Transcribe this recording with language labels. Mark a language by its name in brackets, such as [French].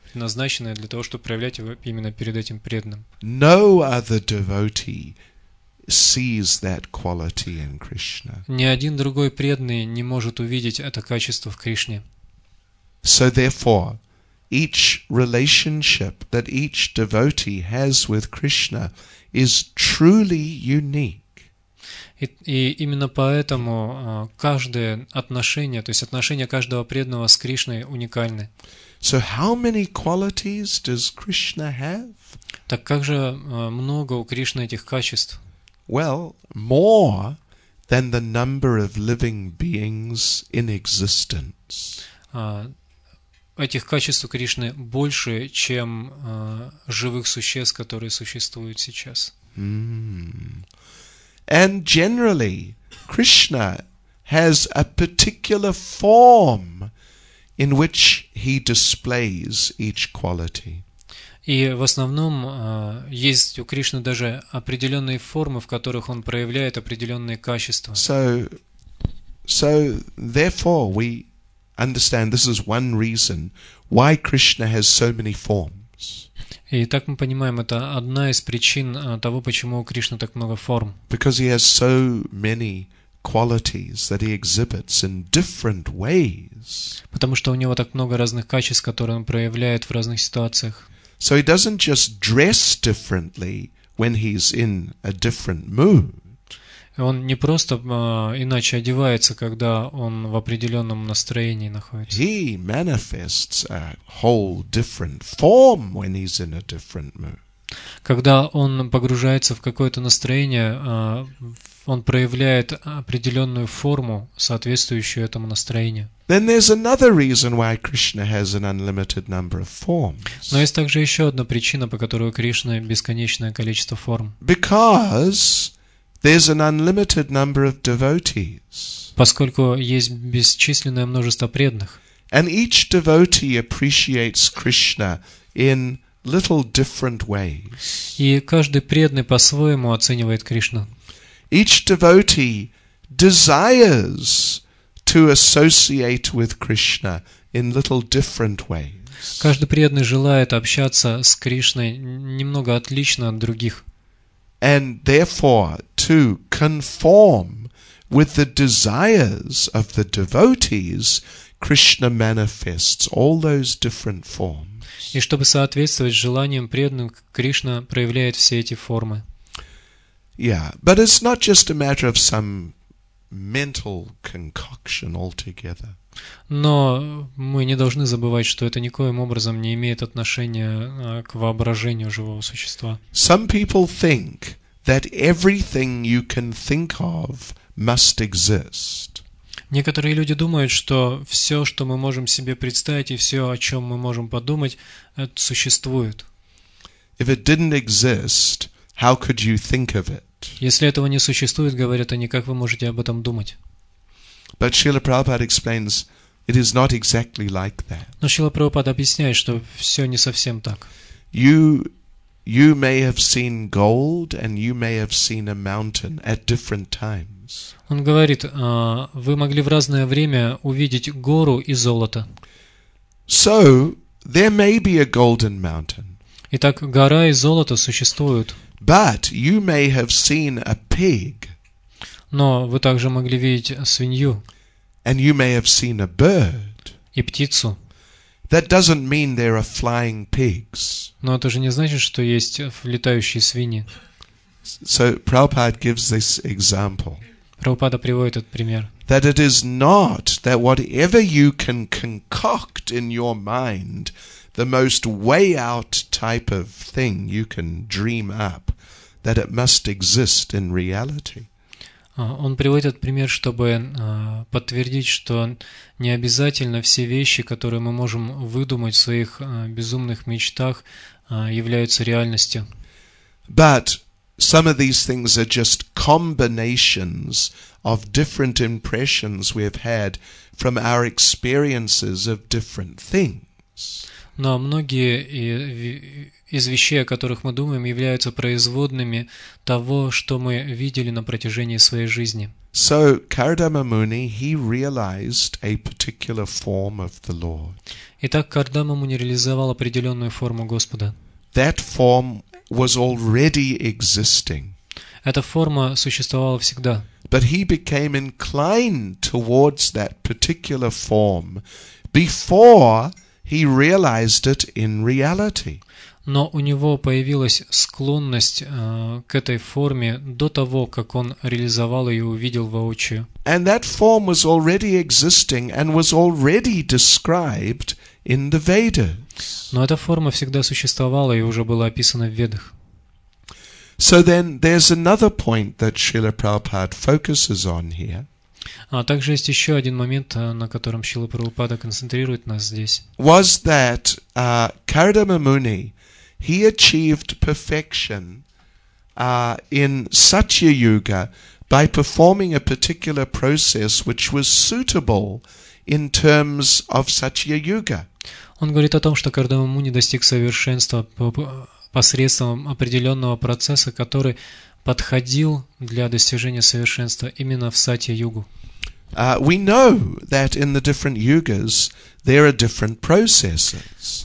[Russian] назначенное для того, чтобы проявлять его именно перед этим преданным. [English] No other devotee sees that quality in Krishna. [Russian] Ни один другой преданный не может увидеть это качество в Кришне. [English] So therefore, each relationship that each devotee has with Krishna is truly unique. [Russian] И именно поэтому каждое отношение, то есть отношение каждого преданного с Кришной уникальны. [English] So how many qualities does Krishna have? [Russian] Так как же много у Кришны этих качеств? [English] Well, more than the number of living beings in existence. [Russian] Этих качеств у Кришны больше, чем живых существ, которые существуют сейчас. [English] And generally, Krishna has a particular form in which he displays each quality. [Russian] И в основном есть у Кришны даже определенные формы, в которых он проявляет определенные качества. [English] So therefore, we understand this is one reason why Krishna has so many forms. [Russian] И так мы понимаем, это одна из причин того, почему у Кришны так много форм. [English] Because he has so many qualities that he exhibits in different ways. [Russian] Потому что у него так много разных качеств, которые он проявляет в разных ситуациях. [English] So he doesn't just dress differently when he's in a different mood. [Russian] Он не просто иначе одевается, когда он в определенном настроении находится. [English] He manifests a whole different form when he's in a different mood. [Russian] Когда он погружается в какое-то настроение, он проявляет определенную форму, соответствующую этому настроению. [English] Then there's another reason why Krishna has an unlimited number of forms. [Russian] Но есть также еще одна причина, по которой у Кришны бесконечное количество форм. [English] Because there's an unlimited number of devotees. [Russian] Поскольку есть бесчисленное множество преданных. [English] And each devotee appreciates Krishna in little different ways. [Russian] И каждый преданный по-своему оценивает Кришну. [English] Each devotee desires to associate with Krishna in little different ways. [Russian] Каждый преданный желает общаться с Кришной немного отлично от других. [English] And therefore, to conform with the desires of the devotees, Krishna manifests all those different forms. [Russian] И чтобы соответствовать желаниям преданных, Кришна проявляет все эти формы. [English] Yeah, but it's not just a matter of some mental concoction altogether. [Russian] Но мы не должны забывать, что это никоим образом не имеет отношения к воображению живого существа. [English] Some people think that everything you can think of must exist. [Russian] Некоторые люди думают, что все, что мы можем себе представить и все, о чем мы можем подумать, это существует. [English] If it didn't exist, how could you think of it? [Russian] Если этого не существует, говорят они, как вы можете об этом думать? [English] But Srila Prabhupada explains, it is not exactly like that. [Russian] Но Srila Prabhupada объясняет, что все не совсем так. [English] You may have seen gold and you may have seen a mountain at different times. [Russian] Он говорит, вы могли в разное время увидеть гору и золото. [English] So there may be a golden mountain. [Russian] Итак, гора и золото существуют. [English] But you may have seen a pig. [Russian] Но вы также могли видеть свинью. [English] And you may have seen a bird. [Russian] И птицу. [English] That doesn't mean there are flying pigs. [Russian] Но это же не значит, что есть летающие свиньи. [English] So Prabhupada gives this example. [Russian] Прабхупада приводит этот пример. [English] That it is not that whatever you can concoct in your mind, the most way out type of thing you can dream up, that it must exist in reality. [Russian] Он приводит этот пример, чтобы подтвердить, что не обязательно все вещи, которые мы можем выдумать в своих безумных мечтах, являются реальностью. [English] But some of these things are just combinations of different impressions we have had from our experiences of different things. [Russian] Ну а многие из вещей, о которых мы думаем, являются производными того, что мы видели на протяжении своей жизни. [English] So Kardama Muni, he realized a particular form of the Lord. [Russian] Итак, Кардама Муни реализовал определенную форму Господа. [English] That form was already existing. [Russian] Эта форма существовала всегда. [English] But he became inclined towards that particular form before he realized it in reality. [Russian] Но у него появилась склонность к этой форме до того, как он реализовал ее и увидел воочию. [English] And that form was already existing and was already described in the Vedas. [Russian] Но эта форма всегда существовала и уже была описана в Ведах. [English] So then there's another point that Srila Prabhupada focuses on here. [Russian] А также есть еще один момент, на котором Шрила Прабхупада концентрирует нас здесь. [English] Was that Kardama Muni, he achieved perfection in Satya Yuga by performing a particular process which was suitable in terms of Satya Yuga. [Russian] Он говорит о том, что Кардама Муни достиг совершенства посредством определенного процесса, который подходил для достижения совершенства именно в Сатья-югу. [English] We know that in the different yugas there are different processes.